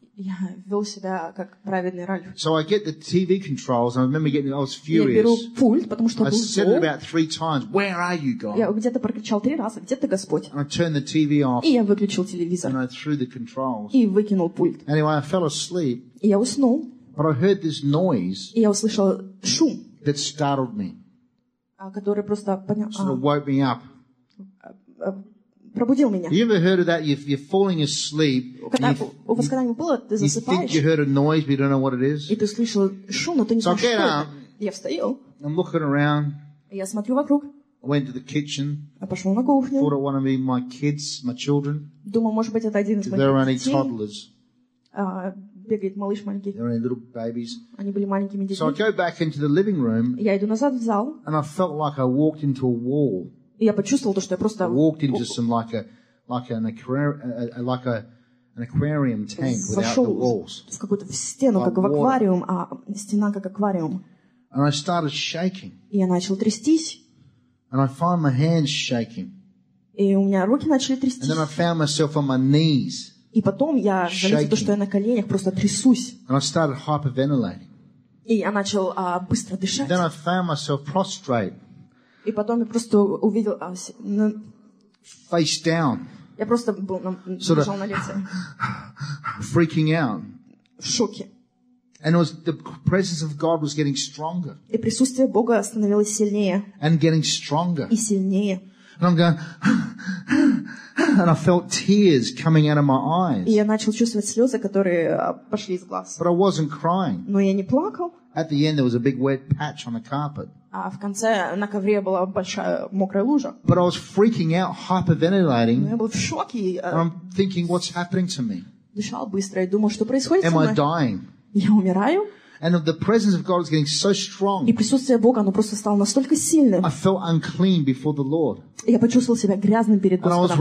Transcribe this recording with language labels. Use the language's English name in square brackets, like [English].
[Russian] Я вел себя как праведный Ральф. [English] So I get the TV controls, and I remember getting, I was furious. [Russian] Я беру пульт, потому что [English] I said it about 3 times. Where are you, God? [Russian] Я где-то прокричал 3 раза. Где ты, Господь? [English] And I turned the TV off. [Russian] И я выключил телевизор. [English] And I threw the controls. [Russian] И выкинул пульт. [English] Anyway, I fell asleep. [Russian] И я уснул. [English] But I heard this noise. [Russian] И я услышал шум. [English] That startled me. [Russian] Который просто [English] sort of woke me up. [Russian] Пробудил меня. [English] You ever heard of that? You're falling asleep. [Russian] У вас когда-нибудь было? Ты засыпаешь? [English] You think you heard a noise, but you don't know what it is. [Russian] И ты слышал шум, но ты не знаешь, что это. Я встаю. [English] I'm looking around. [Russian] Я смотрю вокруг. [English] I went to the kitchen. [Russian] Я пошел на кухню. [English] Thought it might be my kids, my children. [Russian] Думал, может быть, это один из моих детей. [English] There are only toddlers. [Russian] Бегает малыш маленький. [English] There are only little babies. [Russian] Они были маленькими детьми. [English] So I go back into the living room. [Russian] Я иду назад в зал. [English] And I felt like I walked into a wall. [Russian] И я почувствовал то, что я просто [English] walked into some like an aquarium tank without the walls. [Russian] В какую-то стену, как в аквариум, а стена как аквариум. [English] And I started shaking. [Russian] И я начал трястись. [English] And I found my hands shaking. [Russian] И у меня руки начали трястись. [English] And then I found myself on my knees. [Russian] И потом я заметил то, что я на коленях просто трясусь. [English] And I started hyperventilating. [Russian] И я начал быстро дышать. [English] And then I found myself prostrate. [Russian] И потом я просто увидел [English] face down. [Russian] Я просто был [English] sort of [Russian] на лице. [English] Freaking out. [Russian] В шоке. [English] And it was the presence of God was getting stronger. [Russian] И присутствие Бога становилось сильнее. [English] And getting stronger. [Russian] И сильнее. [English] And I'm going and I felt tears coming out of my eyes. [Russian] И я начал чувствовать слезы, которые пошли из глаз. [English] But I wasn't crying. [Russian] Но я не плакал. [English] At the end there was a big wet patch on the carpet. [Russian] А в конце на ковре была большая мокрая лужа. [English] But I was freaking out, hyperventilating. [Russian] Но я был в шоке. [English] And I'm thinking, what's happening to me? [Russian] Дышал быстро и думал, что происходит [English] Am [Russian] со мной? [English] Am I dying? [Russian] Я умираю? [English] And the presence of God is getting so strong. [Russian] И присутствие Бога, оно просто стало настолько сильным. [English] I felt unclean before the Lord. [Russian] Я почувствовал себя грязным перед Господом.